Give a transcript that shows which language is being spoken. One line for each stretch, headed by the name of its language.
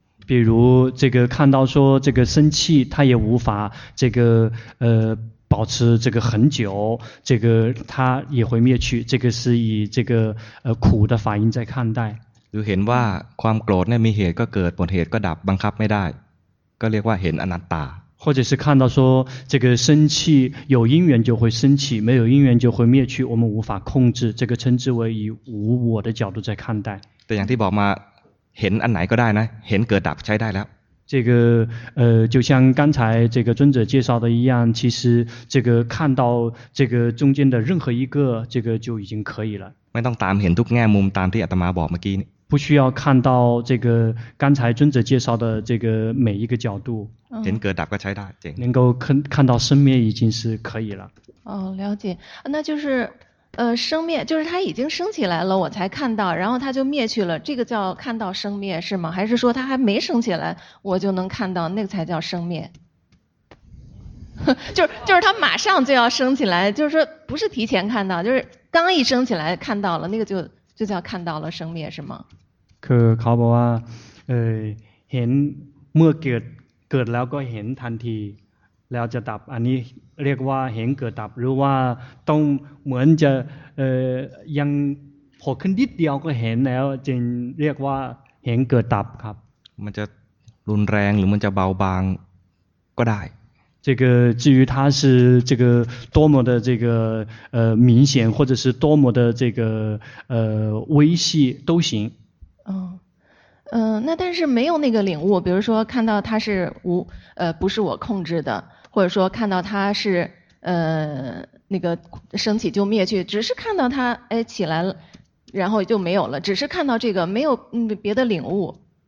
Chinese: 比如这个看到说这个生气它也无法这个保持这个很久这个它也会灭去这个是以这个苦的法印在看待
Thai: หรือเห็นว่าความโกรธเนี่ยมีเหตุก็เกิดหมดเหตุก็ดับบังคับไม่ได้ก็เรียกว่าเห็นอนัตตา
Chinese: 或者是看到说这个生气有因缘就会生气没有因缘就会灭去我们无法控制这个称之为以无我的角度在看待
Thai: แต่อย่างที่บอกมาเห็นอันไหนก็ได้นะเห็นเกิดดับใช้ได้แล้ว
Chinese: 这个就像刚才这个尊者介绍的一样其实这个看到这个中间的任何一个这个就已经可以了
Thai: ไม่ต้องตามเห็นทุกแง่มุมตามที่อาตมาบอกเมื่อกี้
Chinese: 不需要看到这个刚才尊者介绍的这个每一个角度
Thai: เห็นเกิดดับก็ใช้ได้
Chinese: 能够看到生灭已经是可以了哦了解那就是生灭就是它已经升起来了我才看到然后它就灭去了这个叫看到生灭是吗还是说它还没升起来我就能看到那个才叫生灭就是它马上就要升起来就是说不是提前看到就是刚一升起来看到了那个就叫看到了生灭是吗
Thai: คือเขาบอกว่าเห็นเมื่อเกิดแล้วก็เห็นทันทีแล้วจะดับอันนี้เรียกว่าเห็นเกิดดับหรือว่าต้องเหมือนจะยังโผล่ขึ้นนิดเดียวก็เห็นแล้วจึงเรียกว่าเห็นเกิดดับครับ มันจะรุนแรงหรือมันจะเบาบางก็ได้
Chinese: 这个至于它是这个多么的这个明显或者是多么的这个微细都行。那但是没有那个领悟，比如说看到它是无不是我控制的，或者说看到它是那个升起就灭去，只是看到它哎起来了，然后就没有了，只是看到这个没有别的领悟。